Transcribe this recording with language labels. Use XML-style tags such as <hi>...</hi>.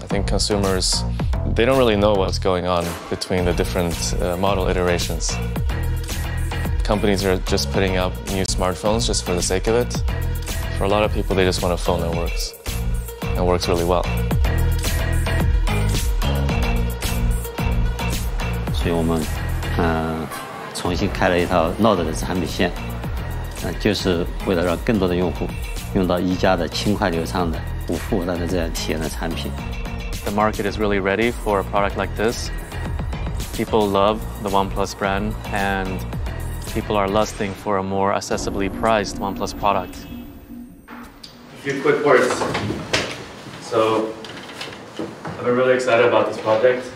<en>I think consumers, they don't really know what's going on between the different model iterations. Companies are just putting up new smartphones just for the sake of it. For a lot of people, they just want a phone that works, and works really well. So we,</en> <zh>重新开了一条 Note 的产品线，就是为了让更多的用户用到一加的轻快流畅的无负担的这样体验的产品。</zh> <en>The market is really ready for a product like this. People love the OnePlus brand, and people are lusting for a more accessibly priced OnePlus product. A few quick words. So, I've been really excited about this project.</en>